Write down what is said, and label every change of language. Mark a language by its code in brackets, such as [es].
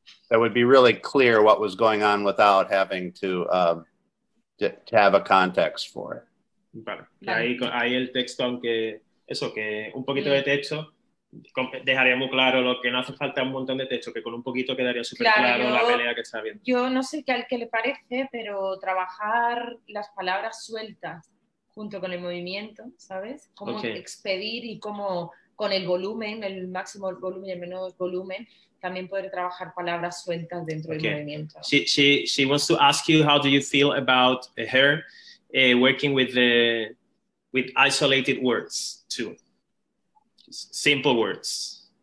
[en] That would be really clear what was going on without having to have a context for it. [es] Vale. Y ahí el texto, aunque eso, que un poquito de texto dejaría muy claro lo que no hace falta un montón de texto, que con un poquito quedaría súper claro la pelea que está viendo. Yo no sé qué al que le parece, pero trabajar las palabras sueltas junto con el movimiento, ¿sabes? Cómo expedir y cómo con el volumen, el máximo volumen y el menor volumen, también poder trabajar palabras sueltas dentro del movimiento. [en] She wants to ask you how do you feel about her working with isolated words too, simple words.